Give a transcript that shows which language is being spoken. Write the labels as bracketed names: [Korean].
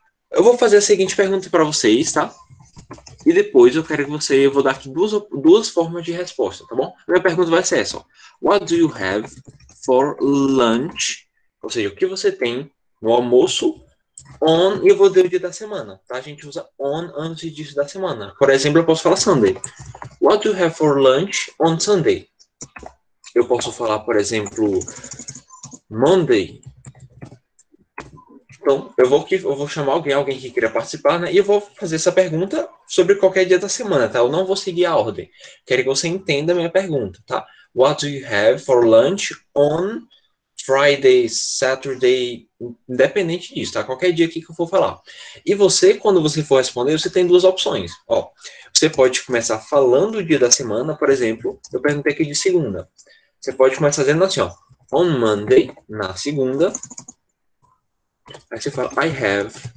[Portuguese] Eu vou fazer a seguinte pergunta para vocês, tá? E depois eu quero que você. Eu vou dar aqui duas formas de resposta, tá bom? A minha pergunta vai ser essa: ó. [English] What do you have for lunch? [Portuguese] Ou seja, o que você tem no almoço on. E eu vou dizer o dia da semana, tá? A gente usa on antes disso da semana. Por exemplo, eu posso falar Sunday. [English] What do you have for lunch on Sunday? [Portuguese] Eu posso falar, por exemplo, Monday. Então, eu vou chamar alguém que queira participar, né? E eu vou fazer essa pergunta sobre qualquer dia da semana, tá? Eu não vou seguir a ordem. Quero que você entenda a minha pergunta, tá? [English] What do you have for lunch on Friday, Saturday? [Portuguese] Independente disso, tá? Qualquer dia aqui que eu for falar. E você, quando você for responder, você tem duas opções. Ó, você pode começar falando o dia da semana, por exemplo. Eu perguntei aqui de segunda. Você pode começar dizendo assim, ó. [English] On Monday, [Portuguese] na segunda. Aí você fala, [English] I have.